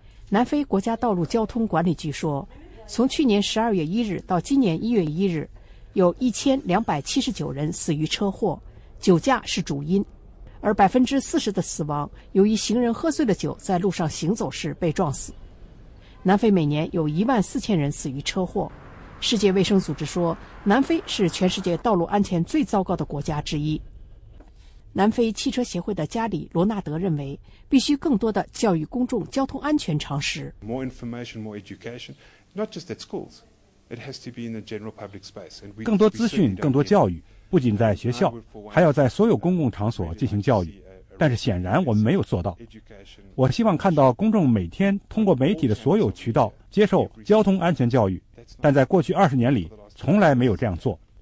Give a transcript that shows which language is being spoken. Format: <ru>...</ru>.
<zh>南非国家道路交通管理局说，从去年12月1日到今年1月1日，有1279人死于车祸，酒驾是主因，而40%的死亡由于行人喝醉了酒在路上行走时被撞死。南非每年有14000人死于车祸。世界卫生组织说，南非是全世界道路安全最糟糕的国家之一。南非汽车协会的加里·罗纳德认为，必须更多的教育公众交通安全常识。</zh> <en>More information, more education, not just at schools. It has to be in the general public space.</en> <zh>更多资讯，更多教育，不仅在学校，还要在所有公共场所进行教育。但是显然我们没有做到。我希望看到公众每天通过媒体的所有渠道接受交通安全教育，但在过去20年里从来没有这样做。</zh>